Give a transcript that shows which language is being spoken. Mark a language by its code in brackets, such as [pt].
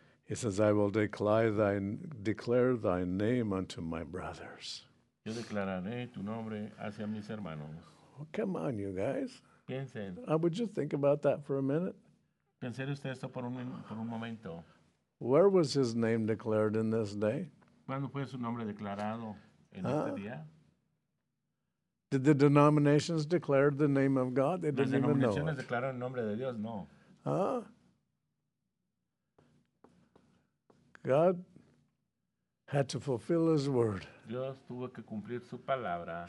[en] He says, I will declare thy name unto my brothers. [es] Yo declararé tu nombre hacia mis hermanos. [en] Well, come on, you guys. [es] Piensen. [en] Would you think about that for a minute? [es] Pensar usted esto por un momento. [en] Where was his name declared in this day? [es] ¿Cuándo fue su nombre declarado en este día? [en] Did the denominations declare the name of God? They didn't even know. [es] ¿Las denominaciones declararon el nombre de Dios? No. [en] God had to fulfill his word. [es] Dios tuvo que cumplir su palabra.